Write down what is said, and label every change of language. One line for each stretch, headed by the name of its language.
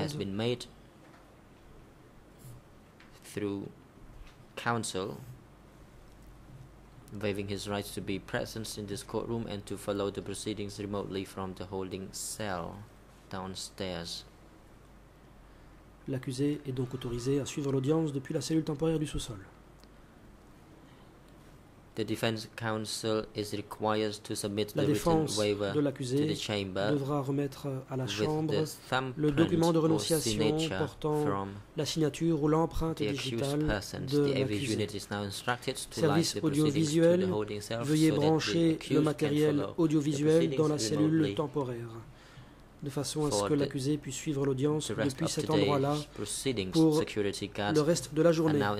English: It has been made through counsel waiving his rights to be present in this courtroom and to follow the proceedings remotely from the holding cell downstairs.
French: L'accusé est donc autorisé à suivre l'audience depuis la cellule temporaire du sous-sol.
English: The defense counsel is required to submit the written waiver
French: de l'accusé
English: to the chamber
French: devra remettre à la chambre le document de renonciation portant la signature ou l'empreinte digitale de l'accusé. Service audiovisuel, veuillez brancher le matériel audiovisuel dans la cellule temporaire, de façon à ce que l'accusé puisse suivre l'audience depuis cet endroit-là pour le reste de la journée.